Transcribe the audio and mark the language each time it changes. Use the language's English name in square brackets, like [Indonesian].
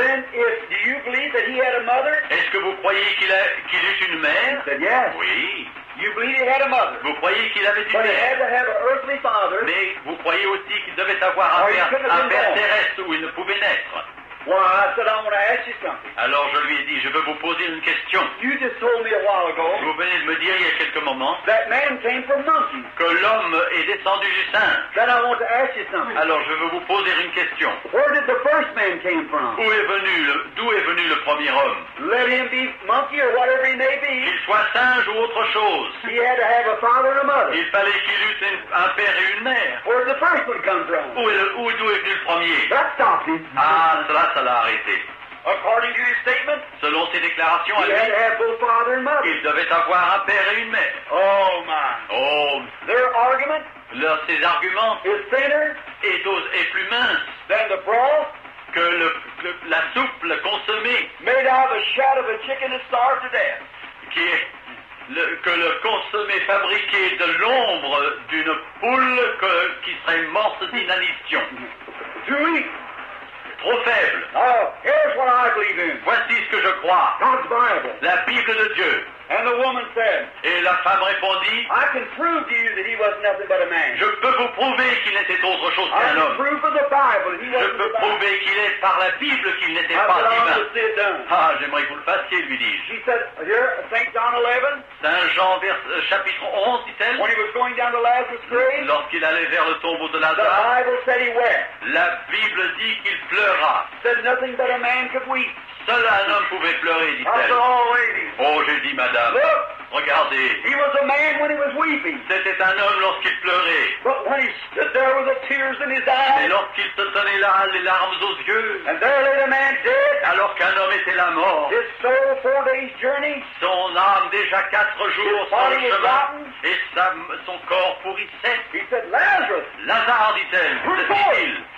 [English] Then, do you believe that he had a mother? [French] Est-ce que vous croyez qu'il eut une mère? [English] He said, yes. [French] Oui. [English] You believe he had a mother? [French] Vous croyez qu'il avait une [English] But [French] mère? [English] He had to have an earthly father. [French] Mais vous croyez aussi qu'il devait avoir un père terrestre où il ne pouvait naître? [English] Well, I said, I'm going to ask you something. [French] Alors je lui ai dit, je veux vous poser une question. [English] You just told me a while ago, [French] vous venez de me dire il y a quelques moments [English] that man came from monkeys. [French] Que l'homme est descendu du singe. [English] Then I want to ask you something. [French] Alors je veux vous poser une question. [English] Where did the first man came from? [French] D'où est venu le premier homme? [English] Let him be monkey or whatever he may be. [French] Qu'il soit singe ou autre chose. [English] He had to have a father and a mother. [French] Il fallait qu'il eût un père et une mère. [English] Where did the first one come from? [French] D'où est venu le premier? [English] That stopped him. [French] Ah, cela. Ça l'a arrêté. [English] According to his statement, [French] selon ses déclarations, [English] he had to have both father and mother. [French] Il devait avoir un père et une mère. [English] Oh man. [French] Oh. [English] Their argument. [French] Ses arguments. [English] Is thinner. [French] Est plus mince. [English] Than the broth. [French] Que la soupe consommée. [English] Made out of the shadow of a chicken that starved to death. [French] Qui que le consommé fabriqué de l'ombre d'une poule qui serait morte d'inanition. Tu oui. Trop faible. [English] Oh, here's what I believe in. [French] Voici ce que je crois. [English] God's Bible. [French] La Bible de Dieu. [English] And the woman said, [French] et la femme répondit, [English] I can prove to you that he was nothing but a man. [French] Je peux vous prouver qu'il n'était autre chose qu'un homme. [English] I can prove from the Bible that he wasn't [French] je peux prouver qu'il est par la Bible qu'il n'était pas humain. Ah, j'aimerais que vous le fassiez, lui dis-je. [English] She said, here, St. John 11. [French] Saint Jean, chapitre 11, dit-elle. [English] When he was going down to Lazarus' grave. [French] Lorsqu'il allait vers le tombeau de Lazare. [English] The Bible said he wept. [French] La Bible dit qu'il pleura. [English] Said nothing but a man could weep. [French] Seul un homme pouvait pleurer, dit-elle. Oh, j'ai dit, madame, [English] look, [French] regardez. [English] He was a man when he was weeping. [French] C'était un homme lorsqu'il pleurait. [English] But when he stood there with the tears in his eyes. [French] Et lorsqu'il se tenait là, les larmes aux yeux. [English] And there lay the man dead. [French] Alors qu'un homme était la mort. [English] His soul 4 days journey. [French] Son âme déjà 4 jours [English] his body [French] sur le chemin. [English] Was rotten. [French] Et son corps pourrissait. [English] He said, Lazarus. [French] Lazare, dit-elle. [English] Report.